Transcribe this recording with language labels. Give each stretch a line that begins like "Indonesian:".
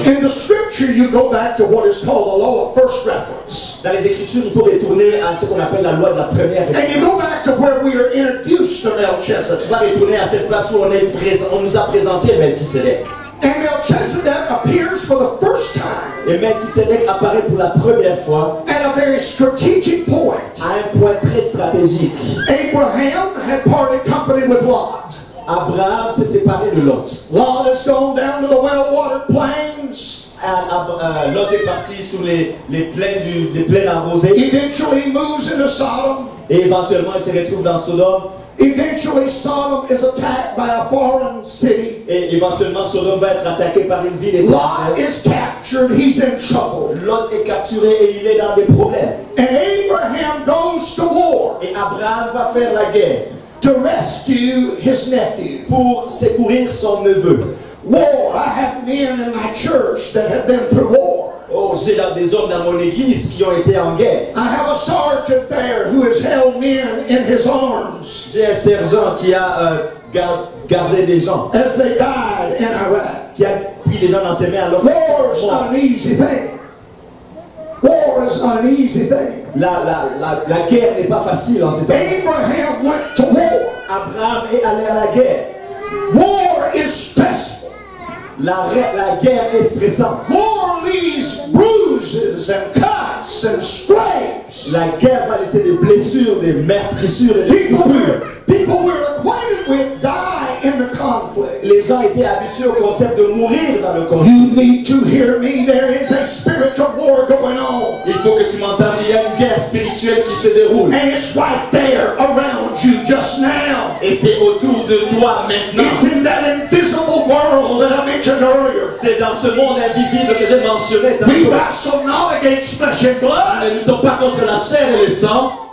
English: in the scripture you go back to what is called the law of first reference.
French: Dans les écritures, il faut retourner à ce qu'on appelle la loi de la première référence.
English: And you go back to where we are introduced to Melchizedek.
French: Tu vas retourner à cette place où on nous a présenté Melchizedek.
English: And Melchizedek appears for the first time.
French: Et Melchizedek apparaît pour la première fois.
English: At a very strategic point.
French: À un point très stratégique.
English: Abraham had parted company with Lot.
French: Abraham s'est séparé de Lot.
English: Lot has gone down to the well-watered plains.
French: Lot est parti sur les plaines arrosées.
English: Eventually moves into Sodom.
French: Et éventuellement, il se retrouve dans Sodome.
English: Eventually, Sodom is attacked by a foreign city.
French: Et éventuellement, Sodom va être attaqué par une ville étrangère.
English: Lot is captured. He's in trouble.
French: Lot est capturé et il est dans des problèmes.
English: And Abraham goes to war.
French: Et Abraham va faire la guerre.
English: To rescue his nephew.
French: Pour secourir son neveu.
English: War. I have men in my church that have been through war.
French: Oh, j'ai des hommes dans mon église qui ont été en guerre.
English: I have a sergeant there who has held men in his arms.
French: J'ai un sergent qui a gardé des gens.
English: As they died in Iraq.
French: Qui a pris des gens dans ses mains alors.
English: War is not an easy thing. War is not an easy thing.
French: La guerre n'est pas facile en ce temps.
English: Abraham went to war.
French: Abraham est allé à la guerre.
English: War is stressful.
French: La guerre est stressante.
English: War leaves bruises and cuts and scrapes.
French: La guerre va laisser des blessures, des meurtrissures et des coupures.
English: People we're acquainted with die in the conflict.
French: Les gens étaient habitués au concept de mourir dans le conflit.
English: You need to hear me. There is a spiritual war going on.
French: Il faut que tu m'entendes. Il y a une guerre spirituelle qui se déroule.
English: And it's right there around you just now.
French: Et c'est autour de toi maintenant.
English: It's in that invisible world that I mentioned earlier.
French: C'est dans ce monde invisible que j'ai mentionné.
English: We wrestle not against flesh and blood.
French: Nous ne luttons pas contre la chair et le sang.